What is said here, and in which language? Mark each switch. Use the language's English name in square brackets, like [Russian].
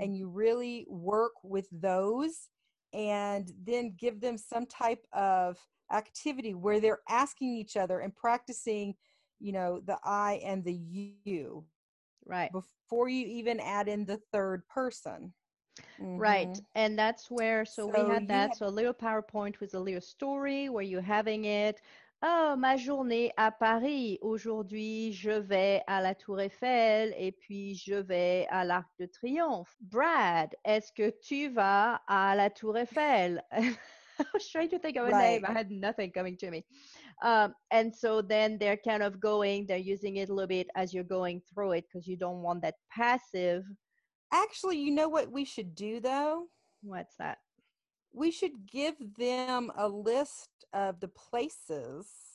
[English] and you really work with those and then give them some type of activity where they're asking each other and practicing, you know, the I and the you, right, before you even add in the third person. Mm-hmm. Right. And that's where so we had that so a little PowerPoint with a little story where you're having it. [French] Oh, ma journée à Paris. Aujourd'hui, je vais à la Tour Eiffel et puis je vais à l'Arc de Triomphe. Brad, est-ce que tu vas à la Tour Eiffel? [English] I was trying to think of a name. I had nothing coming to me. And so then they're kind of going, they're using it a little bit as you're going through it because you don't want that passive. Actually, you know what we should do though? What's that? We should give them a list of the places.